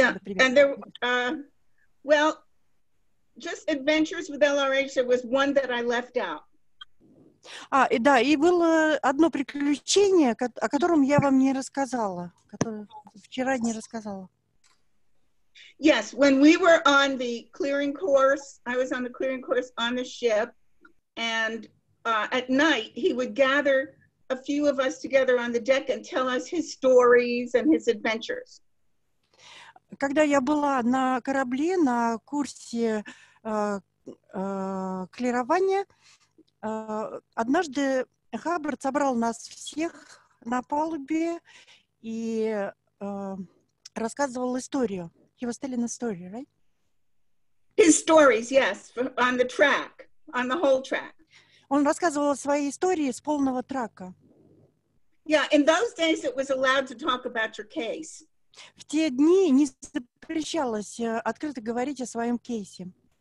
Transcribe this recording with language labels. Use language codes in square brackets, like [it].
[en] Yeah, and just adventures with LRH, there was one that I left out. [ru] А, и да, и было одно приключение, о котором я вам не рассказала, которое вчера не рассказала. [en] Yes, when we were on the clearing course, I was on the clearing course on the ship, and at night he would gather a few of us together on the deck and tell us his stories and his adventures. [ru] Когда я была на корабле, на курсе клирования, однажды Хаббард собрал нас всех на палубе и рассказывал историю. [en] He was telling a story, right? His stories, yes, on the track, on the whole track. [ru] Он рассказывал свои истории с полного трака. [en] Yeah, in those days it was allowed to talk about your case. [ru] В те дни не запрещалось открыто говорить о своем кейсе.